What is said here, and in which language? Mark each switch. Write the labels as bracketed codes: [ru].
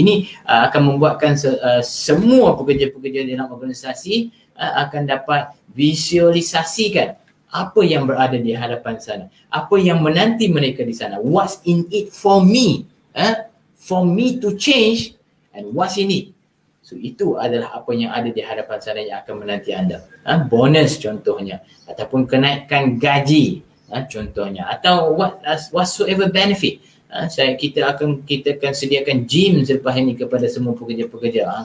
[ms] Ini akan membuatkan semua pekerja-pekerja dalam organisasi akan dapat visualisasikan apa yang berada di hadapan sana, apa yang menanti mereka di sana. [en] What's in it for me? For me to change and what's in it. [ms] So itu adalah apa yang ada di hadapan sana yang akan menanti anda. Bonus contohnya, ataupun kenaikan gaji contohnya, atau [en] whatsoever benefit. [ms] Kita akan sediakan gym selepas ini kepada semua pekerja-pekerja.